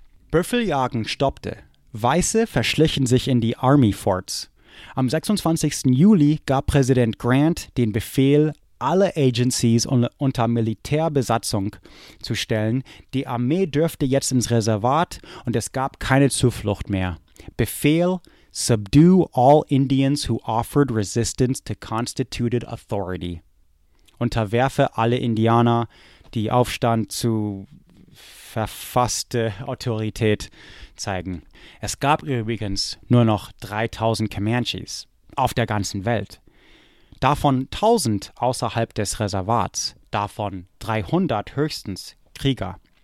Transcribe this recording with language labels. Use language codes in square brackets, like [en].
[de] Büffeljagen stoppte. Weiße verschlichen sich in die Army Forts. Am 26. Juli gab Präsident Grant den Befehl, alle Agencies unter Militärbesatzung zu stellen. Die Armee dürfte jetzt ins Reservat und es gab keine Zuflucht mehr. [en] Befehl, subdue all Indians who offered resistance to constituted authority. [de] Unterwerfe alle Indianer, die Aufstand zu verfasste Autorität zeigen. Es gab übrigens nur noch 3000 Comanches auf der ganzen Welt. Davon 1000 außerhalb des Reservats, davon 300 höchstens Krieger.